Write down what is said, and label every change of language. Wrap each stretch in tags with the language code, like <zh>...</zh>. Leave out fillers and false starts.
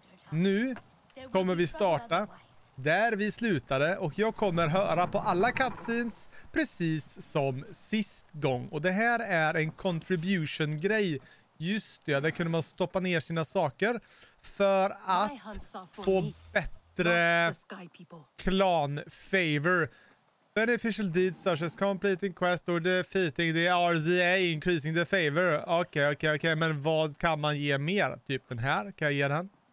<sv>Nu kommer vi starta där vi slutade och jag kommer höra på alla cutscenes precis som sist gång. Och det här är en contribution-grej. Just det, där kunde man stoppa ner sina saker för att få bättre klan-favor.</sv> <en>Beneficial deeds such as completing quest or defeating the RZA, increasing the favor.</en> <sv>Okej, men vad kan man ge mer? Typ den här, kan jag ge den?</sv>